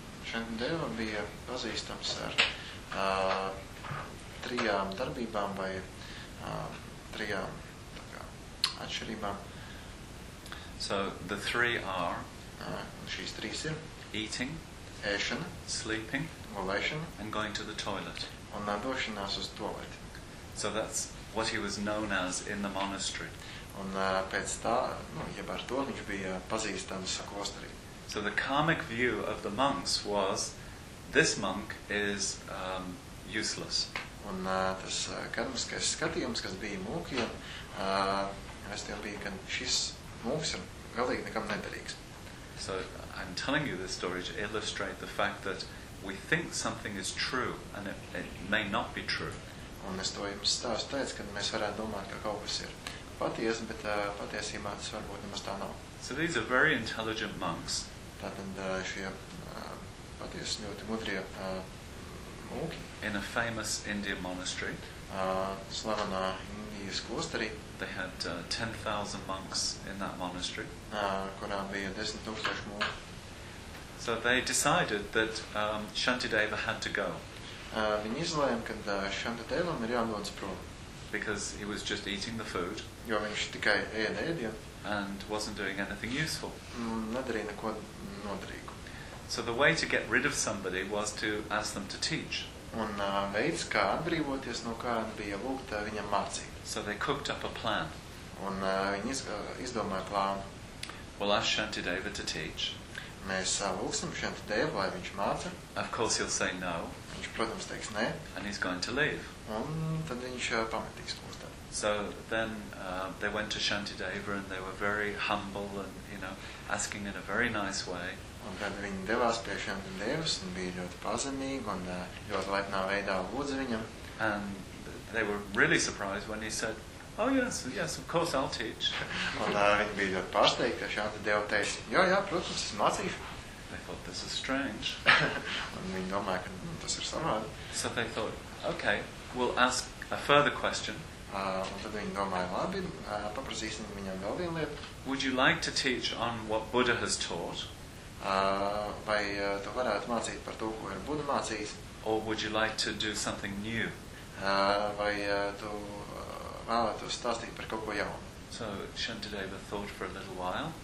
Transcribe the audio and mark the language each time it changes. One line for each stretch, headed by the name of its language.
Latvian: Shantideva bija pazīstams ar trijām darbībām vai trijām tā kā, atšķirībām.
English: So the three are
Latvian: šīs trīs ir
English: eating,
Latvian: ēšana,
English: sleeping,
Latvian: gulēšana,
English: and going to the toilet.
Latvian: Un nodošanās uz tualeti.
English: So that's what he was known as in the monastery.
Latvian: Un pēc tā, nu, jeb ar to viņš bija pazīstams klosterī.
English: So the karmic view of the monks was, this monk is useless.
Latvian: Un tas karmiskais skatījums, kas bija mūkiem, es tiem bija, ka šis mūks ir galīgi nekam nederīgs.
English: So I'm telling you this story to illustrate the fact that we think something is true and it may not be true.
Latvian: Un es to jums stāstu teicu, ka mēs varētu domāt, ka kaut kas ir paties, bet patiesībā tas varbūt nemaz tā nav.
English: So these are very intelligent monks.
Latvian: Tātad šie patiesi ļoti mudrie mūki.
English: In a famous Indian monastery.
Latvian: Slavenā Indijas klosterī.
English: They had 10,000 monks in that monastery.
Latvian: Kurā bija 10,000 mūki.
English: So they decided that Shantideva had to go.
Latvian: Viņi izlēma, ka Shantidevam ir jānodas prom.
English: Because he was just eating the food.
Latvian: Jo viņš tikai ēda ēdienu.
English: And wasn't doing anything useful.
Latvian: Nedarīja neko noderīgu.
English: So the way to get rid of somebody was to ask them to teach.
Latvian: Un veids, kā atbrīvoties no kāda, bija lūgt viņam mācīt.
English: So they cooked up a plan.
Latvian: Un viņi izdomāja plānu.
English: We'll ask Shantideva to teach.
Latvian: Mēs lūgsim Shantideva, lai viņš māca.
English: Of course he'll say no.
Latvian: Viņš, protams, teiks nē.
English: And he's going to leave.
Latvian: Un tad viņš pametīs.
English: So then they went to Shantideva and they were very humble and, you know, asking in a very nice way.
Latvian: Un tad viņi devās pie Shantidevas un bija ļoti pazemīgi un ļoti laipnā veidā lūdza viņam.
English: And they were really surprised when he said, oh yes, yes, of course I'll teach.
Latvian: Un viņi bija ļoti pārsteigti, ka Shantideva teica, jo, jā, protams, es mācīšu.
English: They thought this is strange.
Latvian: Un viņi domāja, ka tas ir savādi.
English: So they thought, okay, we'll ask a further question.
Latvian: Un tad viņi domāja, labi, paprasīsim viņam vēl vienu lietu.
English: Would you like to teach on what Buddha has taught?
Latvian: Vai tu varētu mācīt par to, ko ir Buddha mācījis?
English: Or would you like to do something new?
Latvian: Vai tu vēlētu stāstīt par kaut ko jaunu?
English: So Shantideva thought for a little while.